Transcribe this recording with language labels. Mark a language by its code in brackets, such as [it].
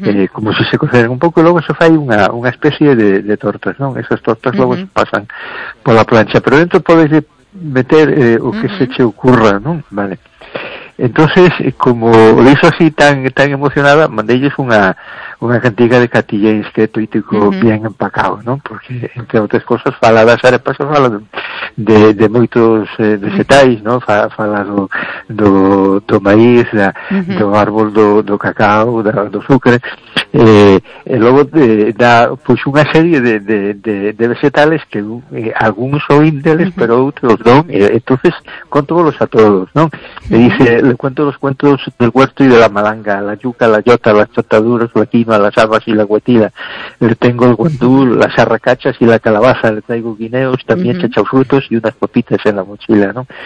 [gl] Como se cocera un pouco, e logo se fai unha especie de tortas, non? Esas tortas logo se pasan pola plancha, pero dentro podes meter o que se te ocurra, [es] ¿no? Vale. Entonces, como lo hizo así tan tan emocionada, mandéis una cantiga de Catillens que es tuitico bien empacado, ¿no? Porque, entre otras cosas, [gl] fala das arepas, fala de moitos vegetais, ¿no? Fala do maíz, do árbol do cacao, do azúcar. E logo dá pues, unha serie de vegetales que algúns oín deles, pero outros non. [es] Entonces, [gl] contámolos a todos, [es] ¿no? E dice, le cuento los cuentos del huerto y de la malanga, la yuca, la yota, las chotaduras, la quinoa, las habas y la huetila. Le tengo el guandú, las arracachas y la calabaza, le traigo guineos, también chachau frutos y unas papitas en la mochila, ¿no?